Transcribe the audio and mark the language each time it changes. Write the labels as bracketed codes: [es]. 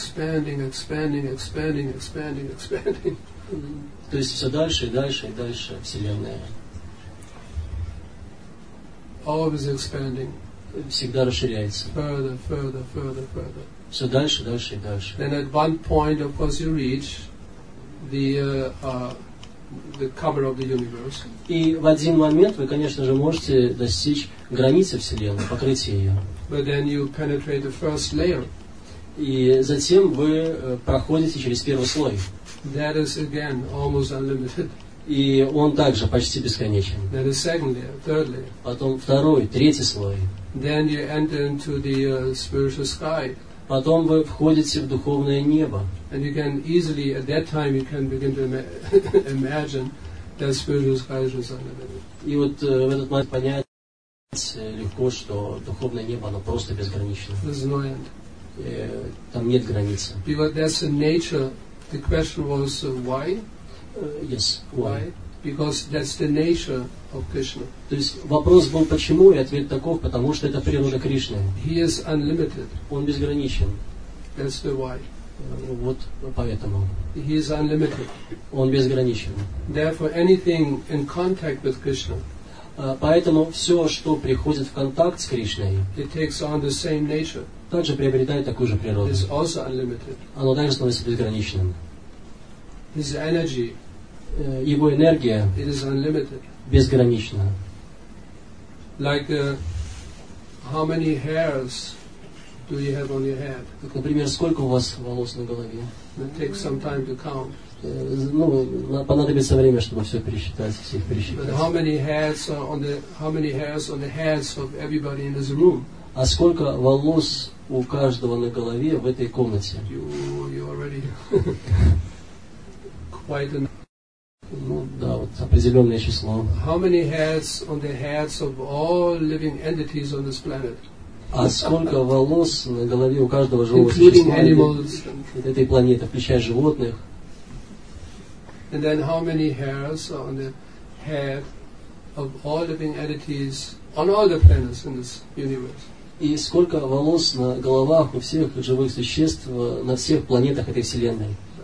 [en] Expanding. [ru] То есть все дальше и дальше и дальше Вселенная. [en] Always expanding. [ru] всегда расширяется. [en] Further, further, further, further. [ru] Все дальше, дальше и дальше. [en] Then at one point, of course, you reach the the cover of the universe. [ru] И в один момент вы, конечно же, можете достичь границы Вселенной, покрытия ее. [en] But then you penetrate the first layer. [ru] И затем вы проходите через первый слой. [en] That is again almost unlimited. [ru] И он также почти бесконечен. [en] Then the second layer, third layer. [ru] Потом второй, третий слой. [en] Then you enter into the spiritual sky. [ru] Потом вы входите в духовное небо. [en] And you can easily at that time you can begin to imagine that spiritual sky is unlimited. [ru] И вот в этот момент понять легко, что духовное небо оно просто безгранично. [en] There's no end. [ru] Там нет границы. [en] Because that's the nature. The question was why? Yes, why? Because that's the nature of Krishna. [ru] То есть вопрос был почему, и ответ таков, потому что это природа Кришны. [en] He is unlimited. [ru] Он безграничен. [en] That's the why. [ru] Вот поэтому. [en] He is unlimited. [ru] Он безграничен. [en] Therefore, anything in contact with Krishna. [ru] Поэтому все, что приходит в контакт с Кришной, [en] it takes on the same nature. [ru] Также приобретает такую же природу. [en] It's also unlimited. [ru] Оно также становится безграничным. [en] His energy. [ru] Его энергия [en] it is unlimited. [ru] Безгранична. [en] Like, how many hairs do you have on your head? [ru] Так, например, сколько у вас волос на голове? [en] It takes some time to count. [ru] Ну, понадобится время, чтобы все пересчитать, всех пересчитать. [en] But how many hairs on the heads of everybody in this room? [ru] А сколько волос у каждого на голове в этой комнате? [en] You already quite an. [ru] Ну да, вот определенное число. [en] How many hairs on the heads of all living entities on this planet? [ru] А сколько волос на голове у каждого живого существа этой планеты, включая животных? [en] And then how many hairs on the head of all living entities on all the planets in this universe? [ru] И сколько волос на головах у всех живых существ на всех планетах этой Вселенной?